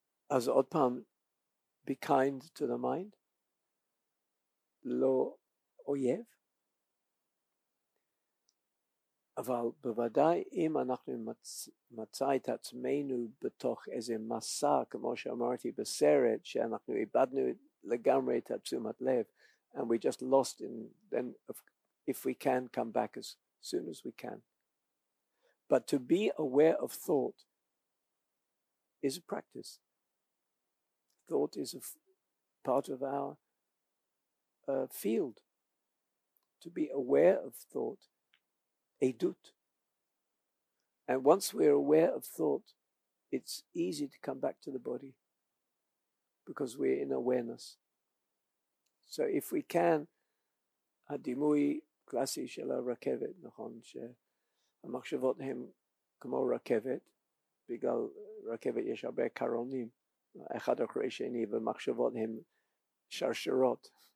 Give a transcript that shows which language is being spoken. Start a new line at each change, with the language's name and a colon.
Hebrew: אז עוד פעם,
English: be kind to the mind,
Hebrew: לא אויב, אבל בוודאי אם אנחנו מצא את עצמנו בתוך איזה מסע, כמו שאמרתי בסרט, שאנחנו איבדנו לגמרי את תשומת לב,
English: and we just lost in, then if we can come back as soon as we can. But to be aware of thought is a practice. Thought is a part of our field. To be aware of thought, edut. And once we're aware of thought, it's easy to come back to the body because we're in awareness. So if we can,
Hebrew: הדימוי קלאסי של הרכבת, נכון, שהמחשבות הן כמו רכבת, בגלל רכבת יש הרבה קרונים, אחד אחרי שני, ומחשבות הן שרשרות.